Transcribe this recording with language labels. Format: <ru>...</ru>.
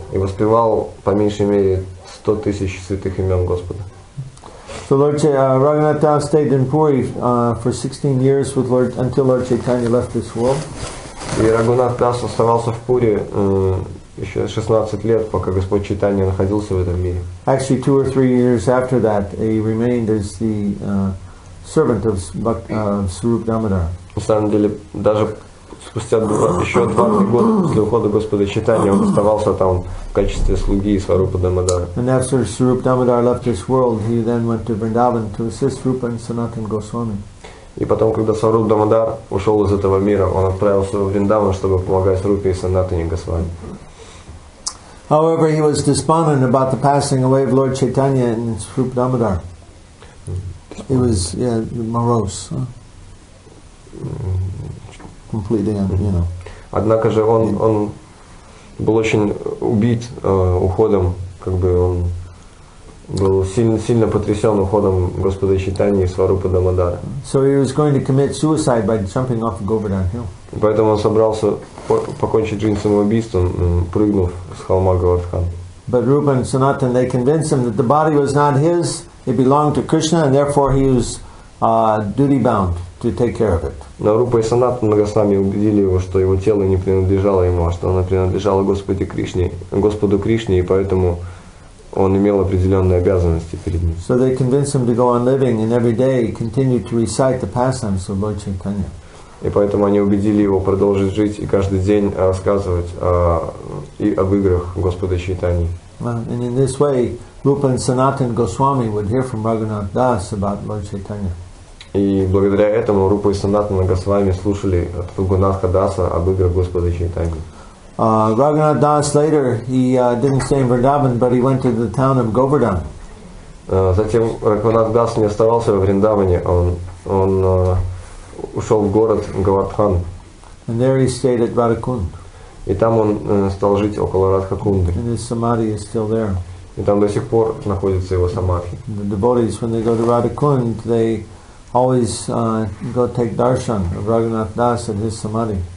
<ru>И воспевал по меньшей мере 100 тысяч святых имен Господа.</ru> <en>So Lord Raghunath Das stayed in Puri for 16 years with Lord until Lord Chaitanya left this world.</en> <ru>И Рагунат Дас оставался в Пури еще 16 лет, пока Господь Чайтанья находился в этом мире.</ru> <en>Actually, two or three years after that, he remained as the servant of Swarup Damodara.</en> <ru>На самом деле, даже спустя еще 20 года после ухода Господа Чайтанья, он оставался там в качестве слуги Сварупа Дамодара.</ru> <en>And after Swarup Damodara left this world, he then went to Vrindavan to assist Rupa and Sanatana Goswami.</en> <ru>И потом, когда Сварупа Дамодар ушел из этого мира, он отправился в Вриндаван, чтобы помогать Рупе и Санатане Госвами.</ru> <en>However, he was despondent about the passing away of Lord Chaitanya and Sarupa Damodar. He was, morose. Completely,</en> <ru>Однако же он был очень убит уходом, как бы он был сильно потрясен уходом Господа Чайтаньи и Сварупа Дамодара.</ru> <en>So he was going to commit suicide by jumping off Govardhan Hill.</en> <ru>Поэтому он собрался покончить жизнь самоубийством, прыгнув с холма Говардхан.</ru> <en>But Rupa and Sanatan, they convinced him that the body was not his, it belonged to Krishna, and therefore he was duty-bound to take care of it.</en> <ru>Но Рупа и Санатан Госвами убедили его, что его тело не принадлежало ему, а что оно принадлежало Господу Кришне, и поэтому он имел определенные обязанности перед ним.</ru> <en>So they convinced him to go on living and every day continue to recite the pastimes of Lord Chaitanya.</en> <ru>И поэтому они убедили его продолжить жить и каждый день рассказывать и об играх Господа Чайтаньи.</ru> <en>And in this way, Rupa and Sanatan Goswami would hear from Raghunath Das about Lord Chaitanya.</en> <ru>И благодаря этому Рупа и Санатана Госвами слушали от Рагунатха Даса об играх Господа Чайтаньи.</ru> <en>Raghunath Das later, he didn't stay in Vrindavan, but he went to the town of Govardhan.</en> <ru>Затем Raghunath Das не оставался в Вриндаване, он ушел в город Говардхан.</ru> <en>And there he stayed at Радхакунд.</en> <ru>И там он стал жить около Радхакунды.</ru> <en>And his samadhi is still there.</en> <ru>И там до сих пор находится его самадхи.</ru> <en>The devotees, when they go to Radhakund, they always go take darshan of Raghunath Das at his samadhi.</en>